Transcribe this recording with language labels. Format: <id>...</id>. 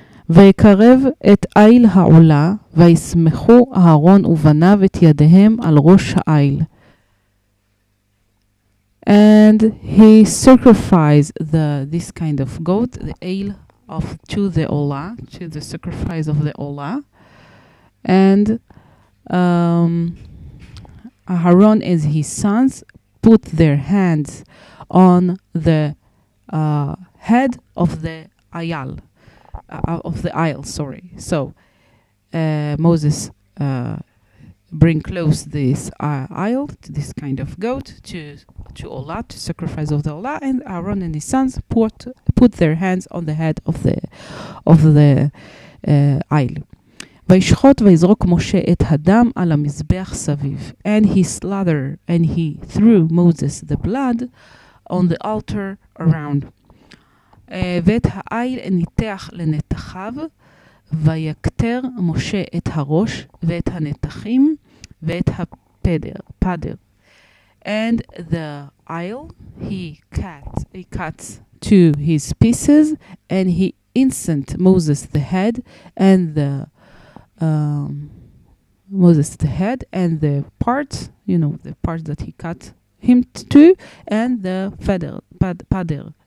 <he>ויקרב את איל העולה וישמחו אהרון ובניו את ידיהם על ראש האיל.</he> <en>And he sacrificed the this kind of goat, the ale, of to the Ola, to the sacrifice of the Ola, and Aharon and his sons put their hands on the head of the Ayal, of the Ayal, sorry. So Moses bring close this Ayal, this kind of goat, to Ola, to sacrifice of the Ola, and Aaron and his sons put their hands on the head of the Ayal.</en> <he>וישחוט ויזרוק משה את הדם על המזבח סביב.</he> <en>And he slather, and he threw Moses the blood on the altar around.</en> <he>ואת האיל ניתח לנתחיו, ויקטר משה את הראש ואת הנתחים ואת הפדר.</he> <en>And the aisle, he cuts to his pieces, and he incensed Moses the head and the Moses the head and the parts, you know, the parts that he cut him to, and the pader.</en>